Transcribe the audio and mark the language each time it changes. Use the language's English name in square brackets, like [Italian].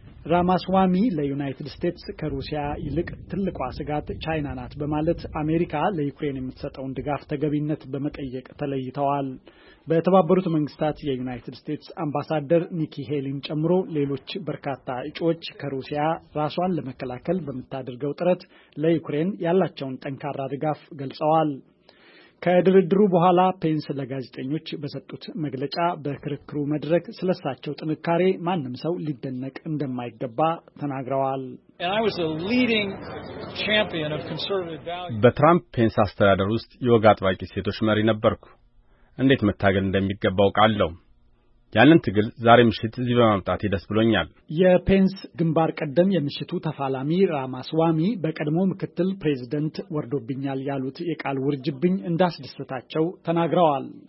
[Amharic] ራማስዋሚ ለዩናይትድ ስቴትስ ከሩሲያ ይልቅ ትልቋ ስጋት ቻይና ናት በማለት አሜሪካ ለዩክሬን የምትሰጠውን ድጋፍ ተገቢነት በመጠየቅ ተለይተዋል። በተባበሩት መንግስታት የዩናይትድ ስቴትስ አምባሳደር ኒኪ ሄሊን ጨምሮ ሌሎች በርካታ እጩዎች ከሩሲያ ራሷን ለመከላከል በምታደርገው ጥረት ለዩክሬን ያላቸውን ጠንካራ ድጋፍ ገልጸዋል። ከድርድሩ በኋላ ፔንስ ለጋዜጠኞች በሰጡት መግለጫ በክርክሩ መድረክ ስለሳቸው ጥንካሬ ማንም ሰው ሊደነቅ እንደማይገባ ተናግረዋል። [English] And I was a leading champion of conservative values. [Amharic] በትራምፕ ፔንስ አስተዳደር ውስጥ የወግ አጥባቂ ሴቶች መሪ ነበርኩ። እንዴት መታገል እንደሚገባው ቃለው። ያንን ትግል ዛሬ ምሽት እዚህ በማምጣት ደስ ብሎኛል። የፔንስ ግንባር ቀደም የምሽቱ ተፋላሚ ራማስዋሚ በቀድሞ ምክትል ፕሬዝዳንት ወርዶብኛል ያሉት የቃል ውርጅብኝ እንዳስደሰታቸው ተናግረዋል።